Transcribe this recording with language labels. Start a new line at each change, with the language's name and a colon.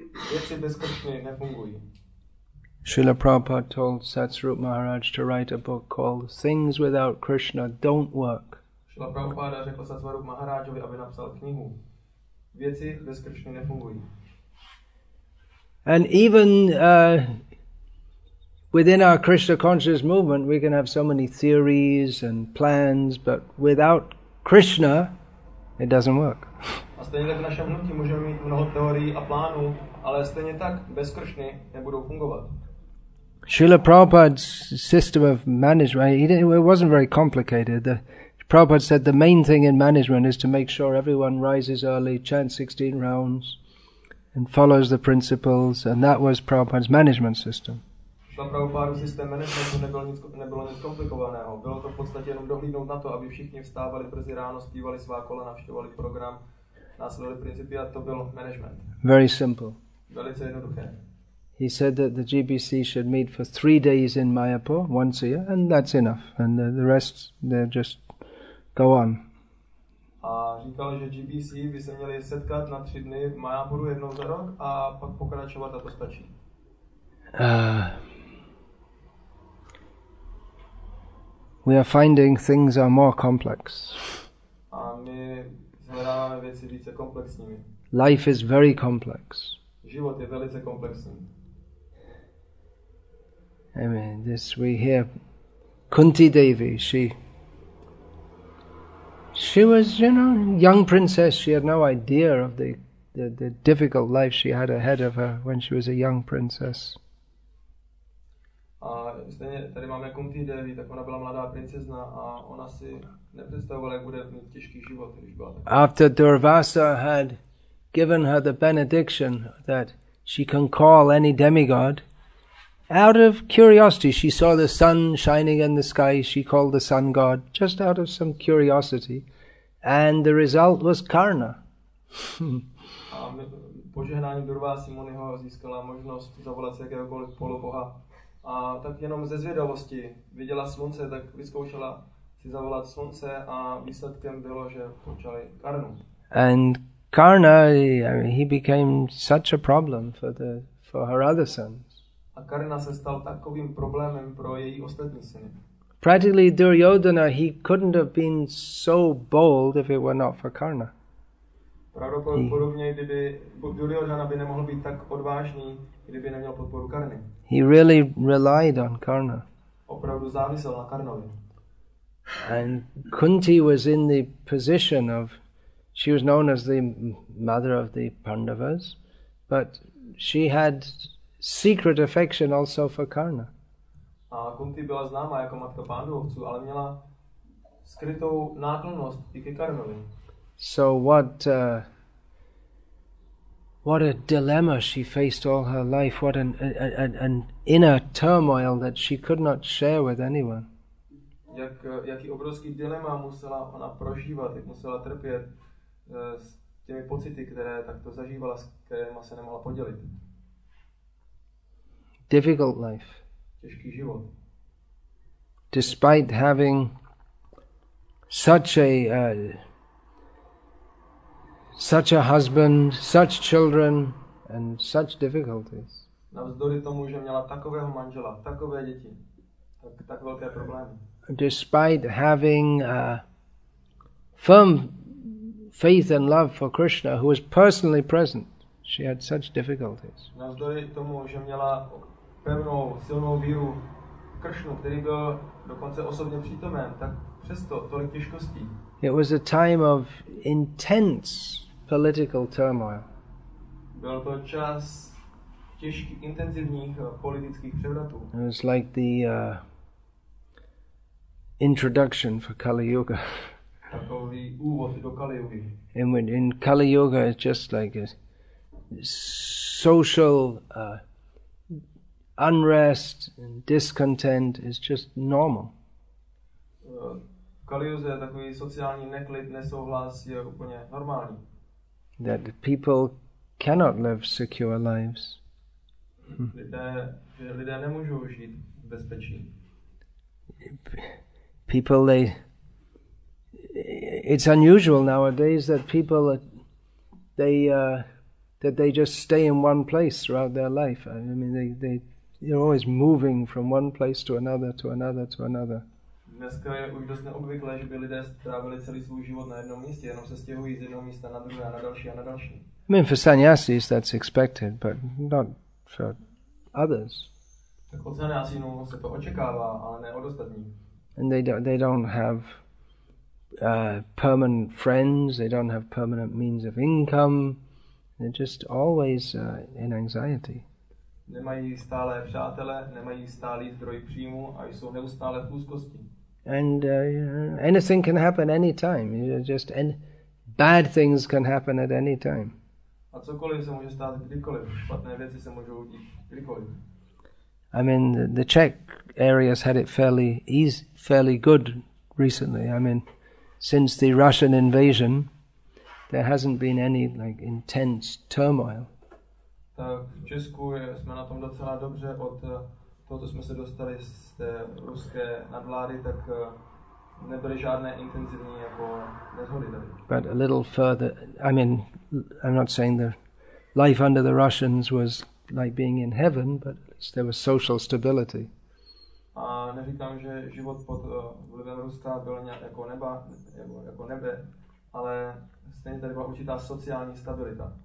Czech: Věci bez Krišny nefungují.
English: Srila Prabhupada told Satsarupa Maharaj to write a book called Things Without Krishna Don't Work.
Czech: Srila Prabhupada řekl Satsarupa Maharajovi, aby napsal knihu. Věci bez Krišny nefungují.
English: And even within our Krishna conscious movement, we can have so many theories and plans, but without Krishna, it doesn't work.
Czech: A stejně tak v našem hnutí můžeme mít mnoho teorií a plánů, ale stejně tak bez Krišny nebudou fungovat.
English: Srila Prabhupada's system of management, it wasn't very complicated. Prabhupada said the main thing in management is to make sure everyone rises early, chants 16 rounds, and follows the principles, and that was Prabhupada's management system. Srila Prabhupada's system management
Czech: nebylo nic komplikovaného. Bylo to v podstatě jenom dohlídnout na to, aby všichni vstávali brzy ráno, zpívali svá kola, navštěvovali program, následovali principy, a to byl management.
English: Very simple.
Czech: Velice jednoduché.
English: He said that the GBC should meet for 3 days in Mayapur, once a year, and that's enough. And the rest, they just go on.
Czech: A říkal, že GBC by se měli setkat na 3 dny v Mayapuru jednou za rok a pak pokračovat, a to stačí.
English: We are finding things are more complex.
Czech: A my hledáváme věci více komplexními.
English: Life is very complex.
Czech: Život je velice komplexní.
English: I mean, this we hear Kunti Devi, she was, you know, young princess. She had no idea of the difficult life she had ahead of her when she was a young princess.
Czech: A stejně tady máme Kunti Devi, tak ona byla mladá princezna a ona si nepředstavovala, jak bude mít těžký život, když byla taková.
English: After Durvasa had given her the benediction that she can call any demigod, out of curiosity, she saw the sun shining in the sky. She called the sun god, just out of some curiosity. And the result was Karna.
Czech: A požehnání Durvasy Muniho získala možnost zavolat se jakéhokoliv poloboha. A tak jenom ze zvědavosti viděla slunce, tak vyzkoušela si zavolat slunce a výsledkem bylo, že počali Karnu.
English: And Karna, he became such a problem for her other sons.
Czech: A Karna se stal takovým problémem pro její ostatní syny.
English: Practically Duryodhana, he couldn't have been so bold if it were not for Karna.
Czech: Pravděpodobně, kdyby Duryodhana by nemohl být tak odvážný, kdyby neměl podporu Karny.
English: He really relied on Karna.
Czech: Opravdu závisel na Karnovi.
English: And Kunti was in the position of, she was known as the mother of the Pandavas, but she had secret affection also for Karna.
Czech: A Kunti byla známa jako matka Pandovců, ale měla skrytou náklonnost i ke Karnovi.
English: So what a dilemma she faced all her life, what an inner turmoil that she could not share with anyone.
Czech: Jaký obrovský dilema musela ona prožívat, jak musela trpět s těmi pocity, které takto zažívala, s kterými se nemohla podělit.
English: Difficult life.
Czech: Těžký život.
English: Despite having such a such a husband, such children, and such difficulties.
Czech: Navzdory tomu, že měla takového manžela, takové děti, tak velké problémy.
English: Despite having firm faith and love for Krishna, who was personally present, she had such difficulties.
Czech: Navzdory tomu, že měla pevnou, silnou víru Kršnu, který byl dokonce osobně přítomen, tak přesto tolik těžkostí.
English: It was a time of intense political turmoil.
Czech: Byl to čas těžkých, intenzivních politických převratů.
English: It was like the introduction for Kali Yuga.
Czech: Takový úvod do Kali Yugi.
English: In Kali Yuga, it's just like a social unrest and discontent is just normal.
Czech: Kaliuze, takový sociální neklid, nesouhlas, je úplně normální.
English: That people cannot live secure lives.
Czech: Lidé nemůžou žít v bezpečí.
English: People, they... It's unusual nowadays that people, they that they just stay in one place throughout their life. I mean, they're always moving from one place to another, to another, to another.
Czech: Dneska je už dost neobvyklé, že by lidé strávili celý svůj život na jednom místě, jenom se stěhují z jednoho místa na druhé, na další a na další.
English: I mean, for sannyasis that's expected, but not for others.
Czech: Tak od sannyasinů se to očekává, ale ne od ostatních.
English: And they don't have permanent friends, they don't have permanent means of income, they're just always in anxiety.
Czech: Nemají stále přátelé, nemají stálý zdroj příjmu a jsou neustále v úzkosti.
English: And anything can happen anytime. Just bad things can happen at any time.
Czech: A cokoliv se může stát kdykoliv. Špatné věci se můžou dít kdykoliv.
English: I mean, the Czech areas had it fairly good recently. I mean, since the Russian invasion, there hasn't been any like intense turmoil.
Czech: Tak v Česku jsme na tom docela dobře od toho, jsme se dostali z té ruské nadvlády, tak nebyly žádné intenzivní jako nezhody.
English: But a little further, I mean, I'm not saying the life under the Russians was like being in heaven, but at least there was social stability.
Czech: A neříkám, že život pod vlivem Ruska byl nějak jako neba, jako nebe, ale stejně tady byla určitá sociální stabilita.